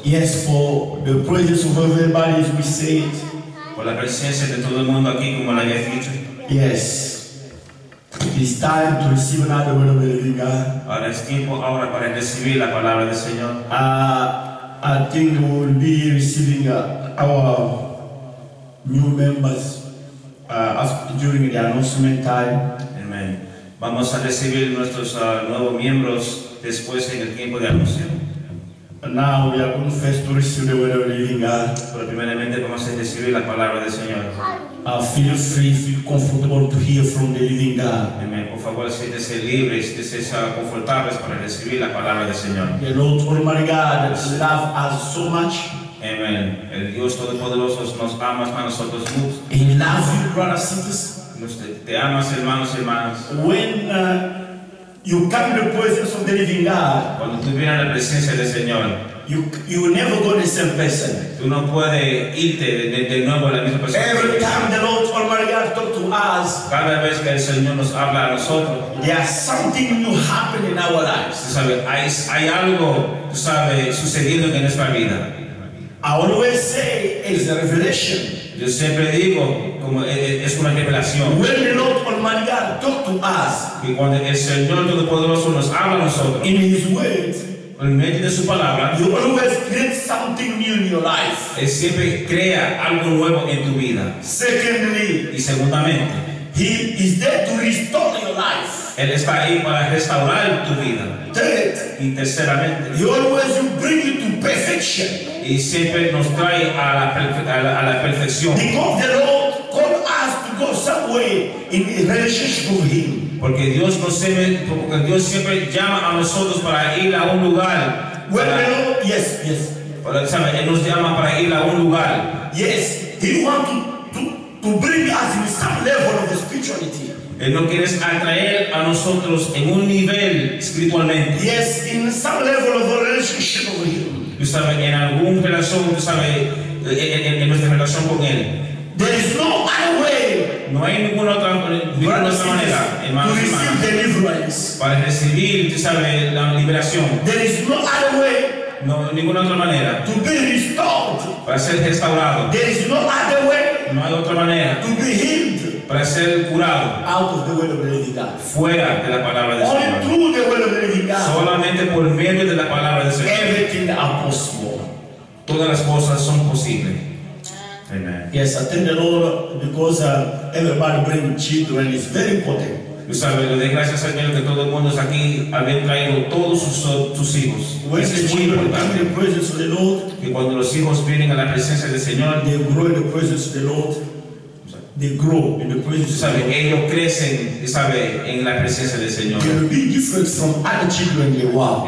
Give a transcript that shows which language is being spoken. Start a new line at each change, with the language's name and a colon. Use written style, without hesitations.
English: Yes, for the presence of everybody as we say it.
Spanish: Por la presencia de todo el mundo aquí, como lo habías dicho.
English: Yes. It is time to receive another word of the living God.
Spanish: Ahora es tiempo ahora para recibir la palabra del Señor.
English: I think we will be receiving our new members. During the announcement time. Amen.
Spanish: Vamos a recibir nuestros nuevos miembros después en el tiempo de anuncio.
English: Now we are going first to receive the word of the living God.
Spanish: Pero primeramente vamos a recibir la palabra del Señor.
English: Feel free, feel comfortable to hear from the living God. Amen.
Spanish: Por favor, siéntese libre, siéntese confortable para recibir la palabra del Señor.
English: The Lord Almighty God loves us so much.
Spanish: Amen. El Dios Todopoderoso nos ama a nosotros mucho.
English: He loves you, brothers and sisters.
Spanish: Te amas, hermanos y hermanas.
English: When you come to the presence of the living God,
Spanish: cuando tú vienes a la presencia del Señor,
English: you never go the same person.
Spanish: Tú no puedes irte de nuevo a la misma persona.
English: Every time the Lord Almighty God talks to us,
Spanish: cada vez que el Señor nos habla a nosotros,
English: there is something new happening in our lives.
Spanish: Tú sabes, hay algo, tú sabes, sucediendo en nuestra vida.
English: I always say it's a revelation.
Spanish: Yo siempre digo como es una revelación.
English: When the Lord Almighty God talk to us,
Spanish: y cuando el Señor Todopoderoso nos habla a nosotros,
English: in His word,
Spanish: en medio de su palabra,
English: you always create something new in your life.
Spanish: Él siempre crea algo nuevo en tu vida.
English: Secondly,
Spanish: y segundamente,
English: He is there to restore your life.
Spanish: Él está ahí para restaurar tu vida.
English: Third,
Spanish: y terceramente,
English: He always bring you to perfection.
Spanish: Y siempre nos trae a la perfección.
English: Because the Lord called us to go somewhere in relationship with Him.
Spanish: Porque Dios nos siempre, porque Dios siempre llama a nosotros para ir a un lugar.
English: Well, the Lord, yes, yes.
Spanish: Pero, ¿sabes? Él nos llama para ir a un lugar.
English: Yes, He want to bring us in some level of spirituality.
Spanish: Él no quiere atraer a nosotros en un nivel espiritualmente.
English: Yes, in some level of relationship with Him.
Spanish: Tú sabes, en algún relación, tú sabes, en nuestra relación con Él.
English: There is no other way.
Spanish: No hay ninguna otra, manera, hermanos y hermanas, para recibir, tú sabes, la liberación.
English: There is no other way.
Spanish: No, ninguna otra manera.
English: To be restored.
Spanish: Para ser restaurado.
English: There is no other way.
Spanish: No hay otra manera.
English: To be healed.
Spanish: Para ser curado.
English: Out of the word of the living God.
Spanish: Fuera de la palabra de
English: Only
Spanish: Señor.
English: Through the word of the living God.
Spanish: Solamente por medio de la palabra de Señor.
English: Everything is possible.
Spanish: Todas las cosas son posibles. Amen.
English: Yes, I thank the Lord because everybody brings children. It's very important.
Spanish: Tú sabes, le doy gracias al Señor que todo el mundo está aquí, habiendo traído todos sus hijos. Es muy importante que cuando los hijos vienen a la presencia del Señor,
English: they grow in the presence of the Lord. They grow in the presence of the Lord.
Spanish: Ellos crecen, ¿sabes? En la presencia del Señor.
English: They will be different from other children in the world.